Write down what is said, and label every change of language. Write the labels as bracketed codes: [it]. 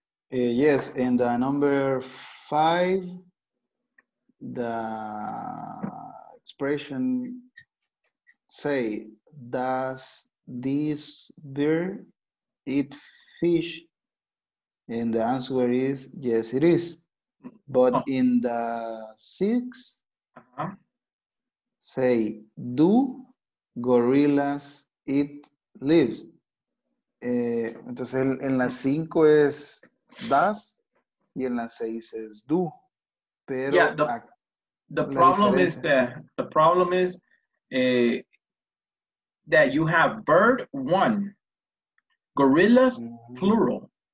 [en] Yes, and number five, the expression say, does this bear eat fish? And the answer is, yes, it is. But in the six, say, do gorillas eat leaves? [es] Entonces, en la cinco es does, y en la seis es do. Pero [en] yeah, the problem is that, the problem is that you have bird one, gorillas plural.